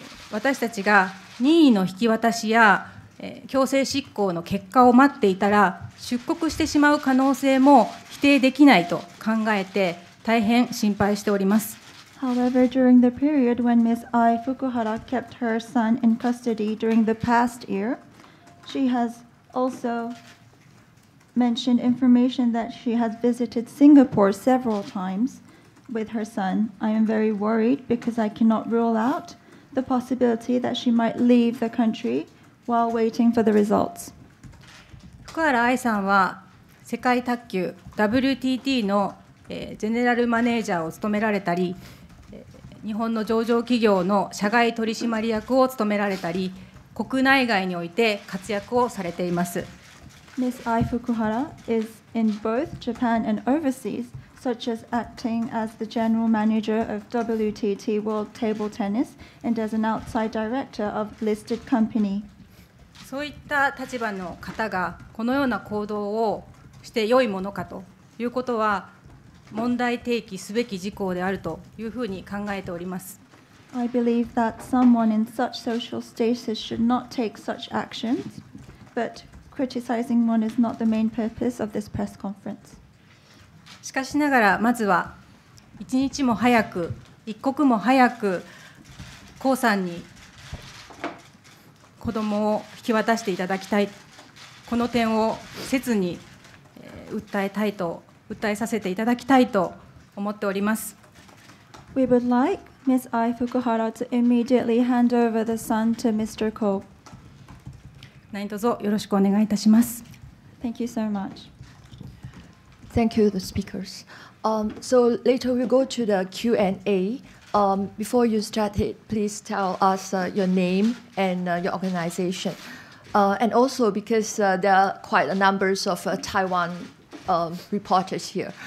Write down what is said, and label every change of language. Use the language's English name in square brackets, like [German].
[Japanese] 私たちが任意の引き渡しや、強制執行の結果を待っていたら、出国してしまう可能性も否定できないと考えて、大変心配しております。 [English] However, during the period when Ms. Ai Fukuhara kept her son in custody during the past year, she has also mentioned information that she has visited Singapore several times with her son. I am very worried because I cannot rule out the possibility that she might leave the country while waiting for the results. [Japanese] 福原愛さんは世界卓球 WTT のジェネラルマネージャーを務められたり、日本の上場企業の社外取締役を務められたり、国内外において活躍をされています。 [English] Ms. Ai Fukuhara is in both Japan and overseas, such as acting as the general manager of WTT World Table Tennis and as an outside director of listed company. [Japanese] そういった立場の方が、このような行動をして良いものかということは、問題提起すべき事項であるというふうに考えております。 [English] I believe that someone in such social status should not take such actions, but criticizing one is not the main purpose of this press conference. [Japanese] しかしながら、まずは一日も早く、一刻も早く、江さんに子どもを引き渡していただきたい、この点を切に訴えたいと。訴えさせていただきたいと思っております。 [English] We would like Ms. Ai Fukuhara to immediately hand over the son to Mr. Ko. [Japanese] 何とぞよろしくお願いいたします。 [English] Thank you so much. Thank you, the speakers. So later we'll go to the Q&A. Before you start it, please tell us your name and your organization. And also because there are quite a number of Taiwan reporters here.